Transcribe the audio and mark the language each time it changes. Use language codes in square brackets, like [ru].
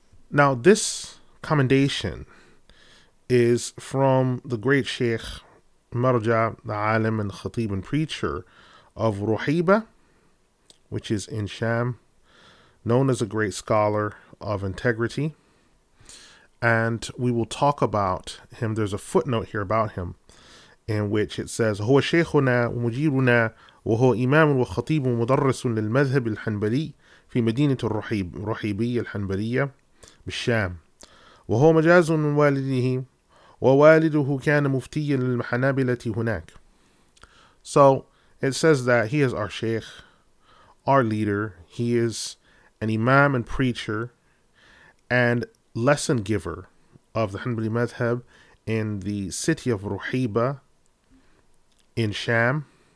[en] Now, this commendation is from the great Sheikh Marja, the Alim and Khatib and preacher of Ruhaiba, which is in Sham, known as a great scholar of integrity. And we will talk about him. There's a footnote here about him in which it says, [ar] هو شيخنا ومجيرنا وهو إمام وخطيب ومدرس للمذهب الحنبلي في مدينة الرحيب رحيبية الحنبلية بالشام وهو مجاز من والده ووالده كان مفتيا للحنابلة هناك. [en] So it says that he is our sheikh, our leader. He is an imam and preacher and lesson giver of the Hanbali madhab in the city of Ruhaiba in Sham.